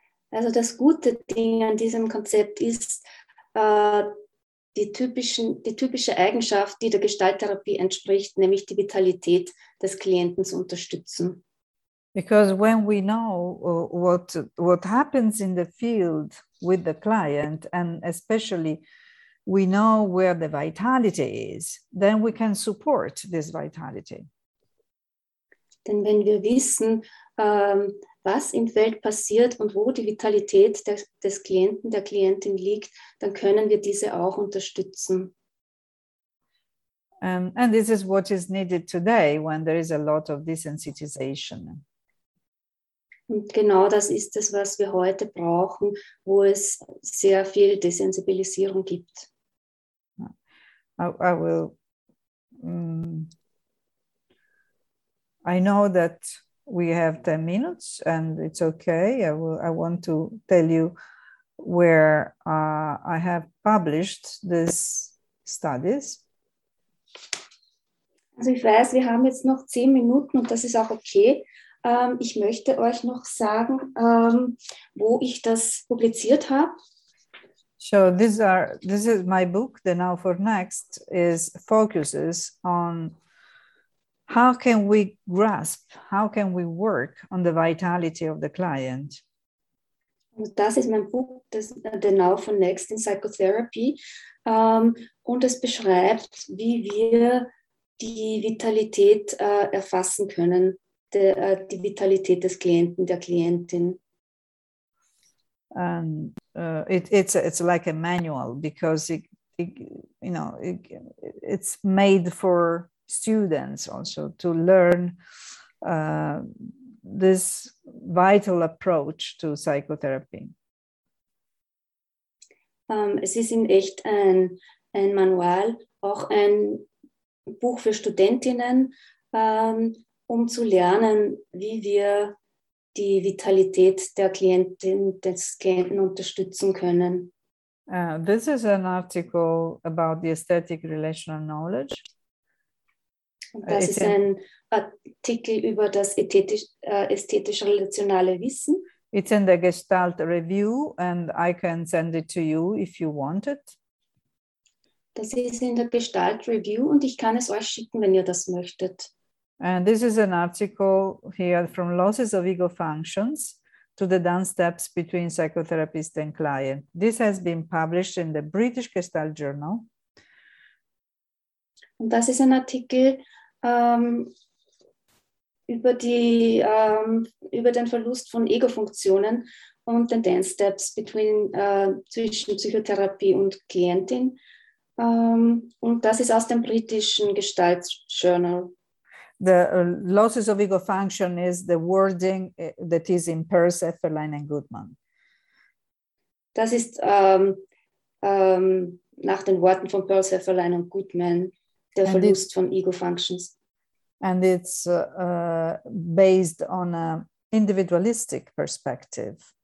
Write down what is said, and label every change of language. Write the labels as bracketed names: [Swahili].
[German] Also das gute Ding an diesem Konzept ist die typische Eigenschaft, die der Gestalttherapie entspricht, nämlich die Vitalität des Klienten zu unterstützen. [English] Because when we know what happens in the field with the client, and especially we know where the vitality is, then we can support this vitality. [German] Denn wenn wir wissen, was im Feld passiert und wo die Vitalität des Klienten, der Klientin liegt, dann können wir diese auch unterstützen. [English] And this is what is needed today when there is a lot of desensitization. [German] Und genau das ist es, was wir heute brauchen, wo es sehr viel Desensibilisierung gibt. [English] I will. I know that we have 10 minutes and it's okay. I want to tell you where I have published these studies. [German] Also ich weiß, wir haben jetzt noch 10 Minuten und das ist auch okay. Ich möchte euch noch sagen, wo ich das publiziert habe. [English] So this is my book, The Now for Next, is focuses on how can we grasp, how can we work on the vitality of the client. [German] Und das ist mein Buch, das, The Now for Next in Psychotherapy. Und es beschreibt, wie wir die Vitalität erfassen können, die Vitalität des Klienten, der Klientin. [English] And it's like a manual, because it's made for students also to learn this vital approach to psychotherapy. [German] Es ist in echt ein Manual, auch ein Buch für Studentinnen, um zu lernen, wie wir die Vitalität der Klientin, des Klienten unterstützen können. [English] This is an article about the aesthetic relational knowledge. [German] Und das ist ein Artikel über das ästhetisch relationale Wissen. [English] It's in the Gestalt Review and I can send it to you if you want it. [German] Das ist in der Gestalt Review und ich kann es euch schicken, wenn ihr das möchtet. [English] And this is an article here from Losses of Ego Functions to the Dance Steps Between Psychotherapist and Client. This has been published in the British Gestalt Journal. [German] Und das ist ein Artikel über den Verlust von Ego-Funktionen und den Dance Steps zwischen Psychotherapie und Klientin. Und das ist aus dem britischen Gestalt Journal. [English] The Losses of Ego Function is the wording that is in Peirce, Efferlein and Goodman. [German] Das ist nach den Worten von Peirce, Efferlein und Goodman, der and Verlust von Ego Functions. [English] And it's based on an individualistic perspective.